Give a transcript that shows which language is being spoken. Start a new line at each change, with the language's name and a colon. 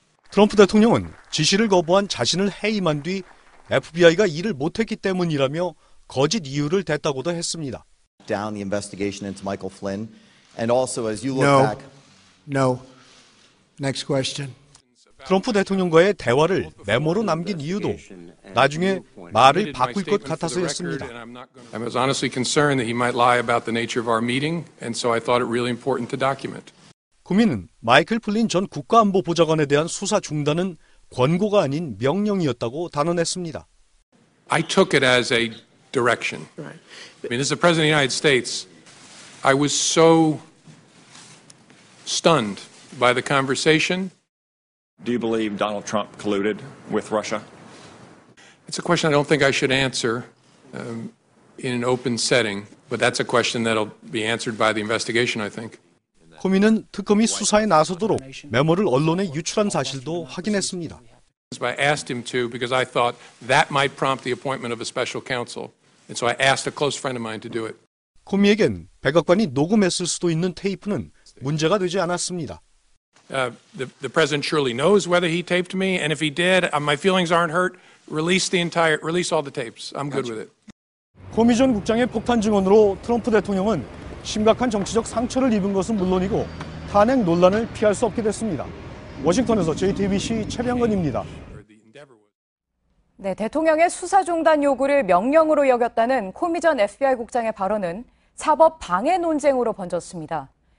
Korean: 트럼프 대통령은 지시를 거부한 자신을 해임한 뒤 FBI가 일을 못했기 때문이라며 거짓 이유를 댔다고도 했습니다.
English: Down the investigation into Michael Flynn, and also as you look back. No. Next question.
Korean: 트럼프 대통령과의 대화를 메모로 남긴 이유도 나중에 말을 바꿀 것 같아서였습니다.
English: I was honestly concerned that he might lie about the nature of our meeting, and so I thought it really important to document.
Korean: 구미는 마이클 플린 전 국가안보보좌관에 대한 수사 중단은 권고가 아닌 명령이었다고 단언했습니다.
English: I took it as a direction. I mean, as the President of the United States, I was so stunned by the conversation. Do you believe Donald Trump colluded with Russia? It's a question I don't think I should answer in an open setting, but that's a question that'll be answered by the investigation, I think.
Korean: 코미는 특검이 수사에 나서도록 메모를 언론에 유출한 사실도 확인했습니다.
English: I asked him to because I thought that might prompt the appointment of a special counsel, and so I asked a close friend of mine to do it.
Korean: 코미에겐 백악관이 녹음했을 수도 있는 테이프는 문제가 되지 않았습니다.
English: The president surely knows whether he taped me, and if he did, my feelings aren't hurt. Release all the tapes. I'm good with it.
Korean: 고미 전 국장의 폭탄 증언으로 트럼프 대통령은 심각한 정치적 상처를 입은 것은 물론이고 탄핵 논란을 피할 수 없게 됐습니다. 워싱턴에서 JTBC 최병건입니다. 네, 대통령의 수사 중단 요구를 명령으로 여겼다는 코미 전 FBI 국장의 발언은 사법 방해 논쟁으로 번졌습니다.